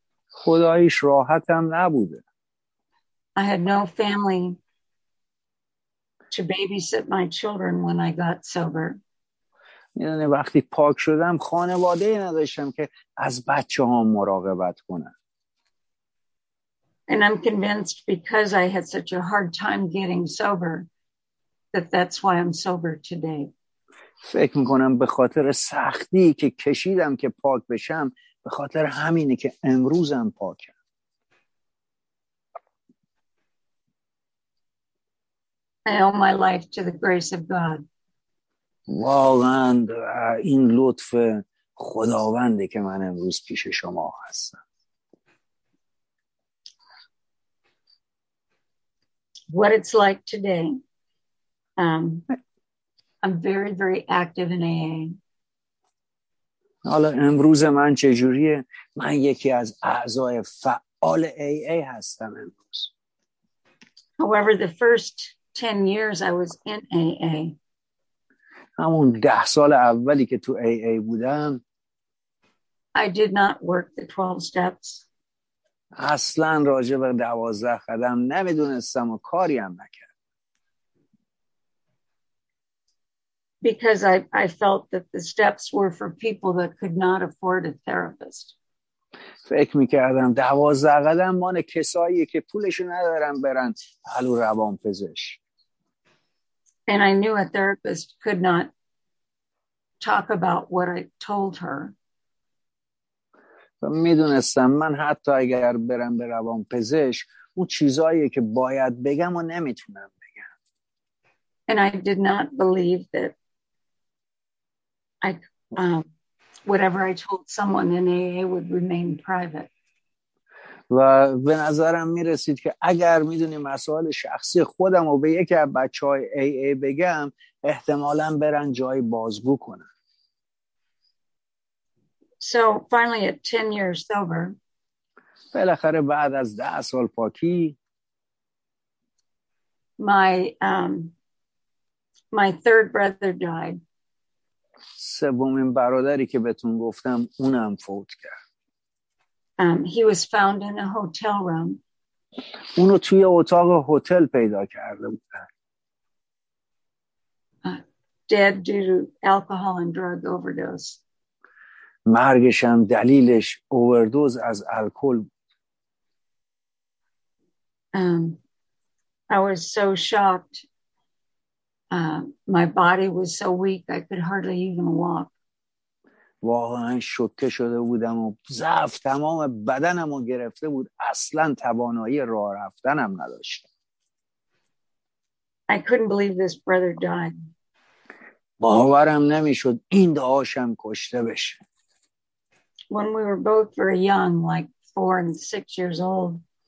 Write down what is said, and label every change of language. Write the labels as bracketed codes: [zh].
[fa] خدایش راحتم نبوده. [en] I had no family to babysit my children when I got sober. [fa] میدونه وقتی پاک شدم خانواده نداشتم که از بچه ها مراقبت کنن. [en] And I'm convinced because I had such a hard time getting sober that that's why I'm sober today. [fa] فکر میکنم به خاطر سختی که کشیدم که پاک بشم, به خاطر همینه که امروزم پاکم. [en] And I owe my life to the grace of God. [fa] واقعا این لطف خداونده که من امروز پیش شما هستم. [en] What it's like today, I'm very very active in AA. [fa] حالا امروز من چجوریه؟ من یکی از اعضای فعال AA هستم امروز. [en] However, the first 10 years I was in AA, [fa] همون 10 سال اولی که تو AA بودم, [en] I did not work the 12 steps. [fa] اصلا راجع به 12 قدم نمیدونستم و کاری هم نکردم. [en] Because I felt that the steps were for people that could not afford a therapist. [fa] فکر میکردم 12 قدم مال کسایی که پولش ندارن برن پلو روانپزشک. [en] And I knew a therapist could not talk about what I told her. [fa] میدونستم من حتی اگر برم به روانپزشک اون چیزایی که باید بگم و نمیتونم بگم. [en] And I did not believe that whatever I told someone in AA would remain private. [fa] و به نظرم می رسید که اگر می دونی مسائل شخصی خودم رو به یکی از بچه های AA بگم احتمالا برن جای بازگو کنن. [en] So finally at 10 years sober, [fa] بالاخره بعد از 10 سال پاکی, [en] my third brother died. [fa] سومین برادری که بهتون گفتم اونم فوت کرد. [en] He was found in a hotel room. [fa] اونو توی اتاق هتل پیدا کرده بودن. [en] Dead due to alcohol and drug overdose. [fa] مرگش هم دلیلش اووردوز از الکل بود. [en] I was so shocked. My body was so weak I could hardly even walk. [fa] واقعا شوکه شده بودم و ضعف تمام بدنم رو گرفته بود. اصلا توانایی راه رفتنم نداشتم. [en] I couldn't believe this brother died. [fa] باورم نمیشد این داشم کشته بشه. [en] When we were both very young, like 4 and 6 years old.